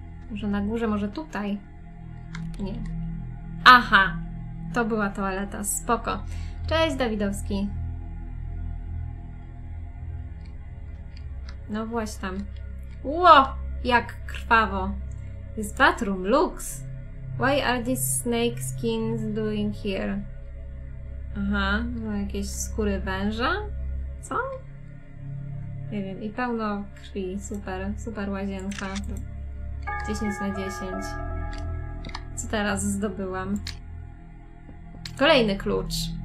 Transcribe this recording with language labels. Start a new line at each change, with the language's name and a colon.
Polish: Może na górze, może tutaj? Nie. Aha! To była toaleta, spoko. Cześć, Dawidowski. No właśnie tam. Ło! Jak krwawo.
English: This bathroom looks... Why are these snake skins doing here?
Polish: Aha, no jakieś skóry węża? Co? Nie wiem, i pełno krwi. Super, super łazienka. 10 na 10. Co teraz zdobyłam? Kolejny klucz.